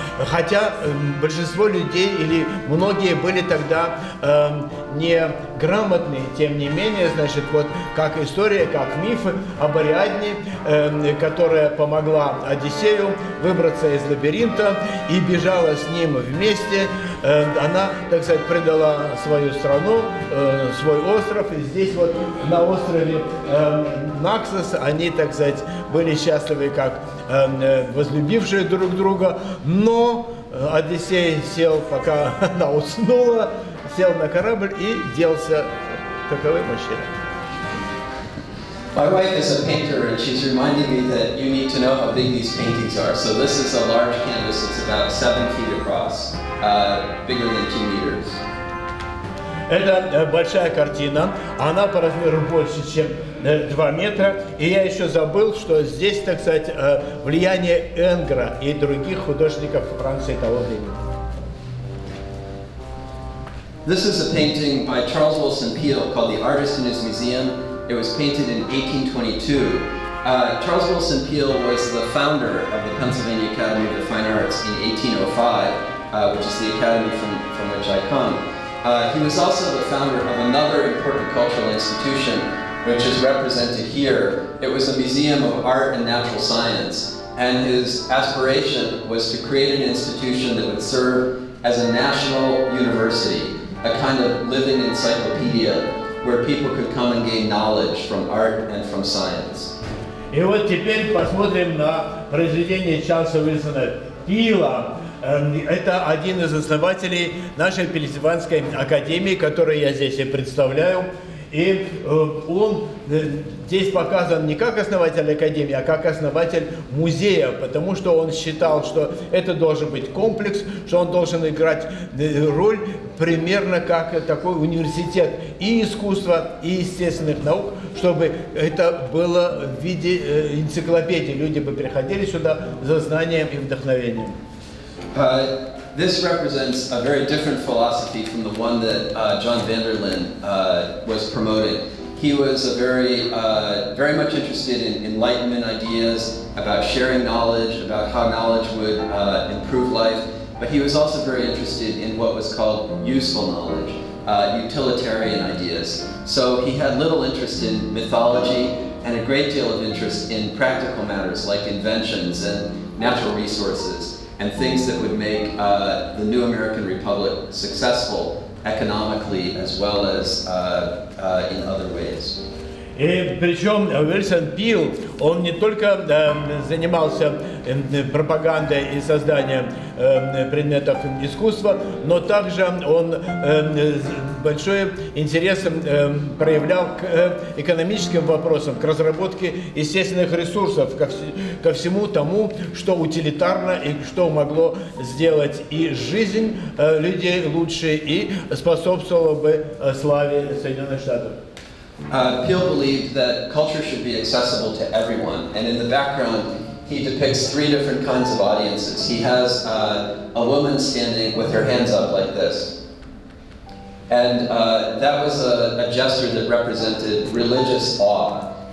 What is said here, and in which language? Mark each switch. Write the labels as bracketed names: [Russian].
[Russian] Хотя большинство людей или многие были тогда неграмотны, тем не менее, значит, вот как история, как мифы об Ариадне, которая помогла Одиссею выбраться из лабиринта и бежала с ним вместе, она, так сказать, предала свою страну, свой остров, и здесь вот на острове Наксос они, так сказать, были счастливы, как возлюбившие друг друга, но Одиссей сел, пока она уснула, сел на корабль и делся таковым мужчиной. [English] My wife is a painter, and she's reminding me that you need to know how big these paintings are. So this is a large canvas. It's about 7 feet across, bigger than 2 meters. [Russian] Это большая картина. Она по размеру больше, чем 2 метра. И я еще забыл, что здесь, так сказать, влияние Энгра и других художников Франции того времени. [English] This is a painting by Charles Wilson Peale called The Artist in His Museum. It was painted in 1822. Charles Wilson Peale was the founder of the Pennsylvania Academy of the Fine Arts in 1805, which is the academy from which I come. He was also the founder of another important cultural institution, which is represented here. It was a museum of art and natural science, and his aspiration was to create an institution that would serve as a national university, a kind of living encyclopedia, where people could come and gain knowledge from art and from science. [Russian] И вот теперь посмотрим на произведение Чарльза Уилсона Пила. Это один из основателей нашей Пенсильванской Академии, которую я здесь и представляю. И он здесь показан не как основатель Академии, а как основатель музея, потому что он считал, что это должен быть комплекс, что он должен играть роль примерно как такой университет и искусства, и естественных наук, чтобы это было в виде энциклопедии. Люди бы приходили сюда за знанием и вдохновением. [English] This represents a very different philosophy from the one that John Vanderlyn was promoting. He was a very much interested in enlightenment ideas about sharing knowledge, about how knowledge would improve life. But he was also very interested in what was called useful knowledge, utilitarian ideas. So he had little interest in mythology and a great deal of interest in practical matters like inventions and natural resources. And things that would make the new American Republic successful economically as well as in other ways. [Russian] И причем Уилсон Пил, он не только занимался пропагандой и созданием предметов искусства, но также он большой интерес проявлял к экономическим вопросам, к разработке естественных ресурсов, ко всему тому, что утилитарно и что могло сделать и жизнь людей лучше, и способствовало бы славе Соединенных Штатов. [English] Peel believed that culture should be accessible to everyone, and in the background he depicts three different kinds of audiences. He has a woman standing with her hands up like this, and that was a gesture that represented religious awe.